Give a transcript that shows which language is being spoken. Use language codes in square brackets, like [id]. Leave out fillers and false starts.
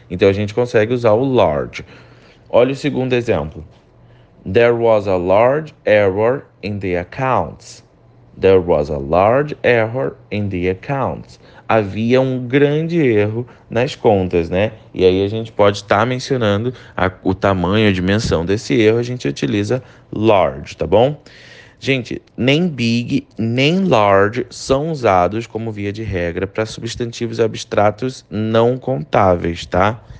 [pt] Então a gente consegue usar o large. Olha o segundo exemplo. [en] There was a large error in the accounts. There was a large error in the accounts. [pt] havia um grande erro nas contas, né? E aí a gente pode estar mencionando o tamanho, a dimensão desse erro, a gente utiliza large, tá bom? Gente, nem big nem large são usados como via de regra para substantivos abstratos não contáveis, tá?